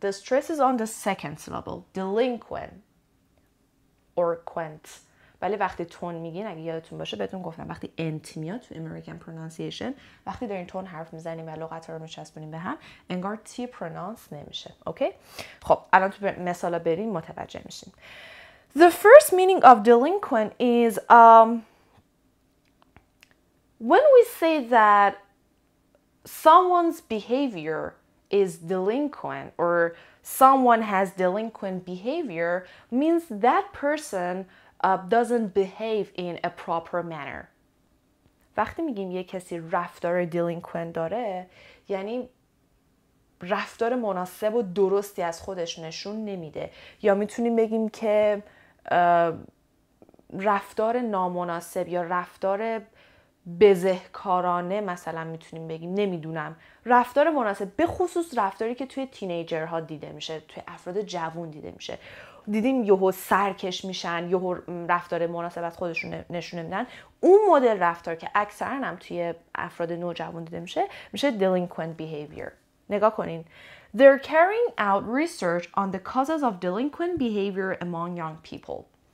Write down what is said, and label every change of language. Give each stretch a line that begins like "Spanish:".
English: The stress is on the second syllable. Delinquent. Or quent.
Persian: ولی وقتی تون میگین، اگه یادتون باشه بهتون گفتم وقتی انت میاد تو امریکن پرونانسیشن، وقتی دارین تون حرف میزنین و لغت رو میچسبونین به هم، انگار تی پرونانس نمیشه. اوکی؟ خب الان تو مثالا برین متوجه میشین.
English: The first meaning of delinquent is when we say that someone's behavior is delinquent or someone has delinquent behavior means that person doesn't behave in a proper manner.
Persian: وقتی میگیم یه کسی رفتار delinquent داره، یعنی رفتار مناسب و درستی از خودش نشون نمیده، یا میتونیم بگیم که رفتار نامناسب یا رفتار بزهکارانه مثلا میتونیم بگیم، نمیدونم، رفتار مناسب، به خصوص رفتاری که توی تینیجرها دیده میشه، توی افراد جوان دیده میشه. دیدیم یهو سرکش میشن، یهو رفتار مناسب از خودشون نشون میدن. اون مدل رفتار که اکثرا هم توی افراد نوجوان دیده میشه، میشه delinquent behavior. نگاه کنین،
English: they're carrying out research on the causes of delinquent behavior among young people.